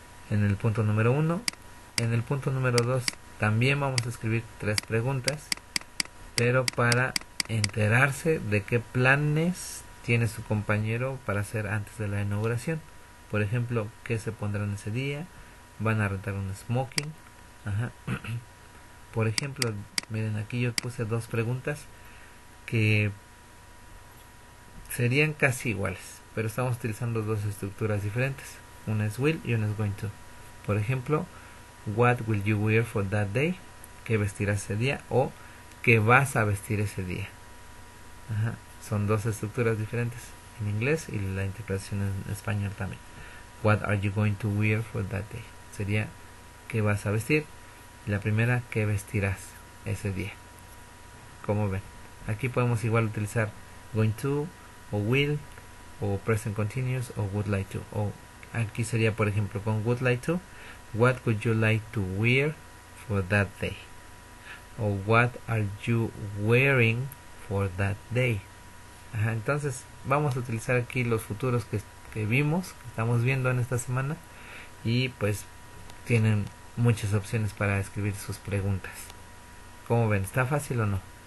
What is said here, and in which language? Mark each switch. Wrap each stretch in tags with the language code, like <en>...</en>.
<es>En el punto número 1. En el punto número 2 también vamos a escribir tres preguntas, pero para enterarse de qué planes tiene su compañero para hacer antes de la inauguración. Por ejemplo, qué se pondrán ese día, van a rentar un smoking. Ajá. Por ejemplo, miren, aquí yo puse dos preguntas que serían casi iguales, pero estamos utilizando dos estructuras diferentes. Una es will y una es going to. Por ejemplo,</es> <en>what will you wear for that day?</en> <es>¿Qué vestirás ese día? O ¿qué vas a vestir ese día? Ajá. Son dos estructuras diferentes en inglés y la interpretación en español también.</es> <en>What are you going to wear for that day?</en> <es>Sería ¿qué vas a vestir? Y la primera, ¿qué vestirás ese día? ¿Cómo ven? Aquí podemos igual utilizar going to o will o present continuous o would like to. O aquí sería, por ejemplo, con</es> <en>would like to, what would you like to wear for that day? O what are you wearing for that day?</en> <es>Ajá, entonces vamos a utilizar aquí los futuros que vimos, que estamos viendo en esta semana, y pues tienen muchas opciones para escribir sus preguntas. ¿Cómo ven? ¿Está fácil o no?</es>